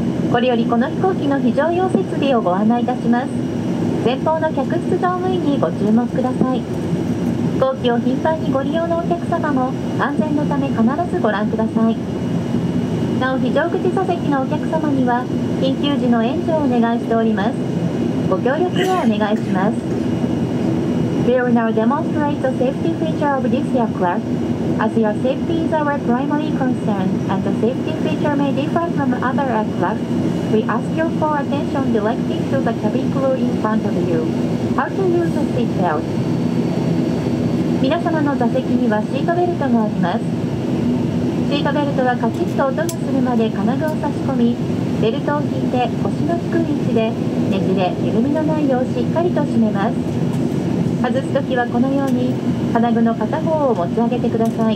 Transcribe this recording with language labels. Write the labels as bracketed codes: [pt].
[ja] これよりこの飛行機の非常用設備をご案内いたします。前方の客室乗務員にご注目ください。飛行機を頻繁にご利用のお客様も安全のため必ずご覧ください。なお非常口座席のお客様には緊急時の援助をお願いしております。ご協力をお願いします。 [en] We will now demonstrate the safety feature of this aircraftAs your safety is our primary concern and the safety feature may differ from other aircraft, we ask you for attention directing to the cabin crew in front of you. How to use the seatbelt? [ja] 皆様の座席にはシートベルトがあります。シートベルトはカチッと音がするまで金具を差し込み、ベルトを引いて腰の低い位置でねじれ、緩みのないようしっかりと締めます。外すときはこのように金具の片方を持ち上げてください。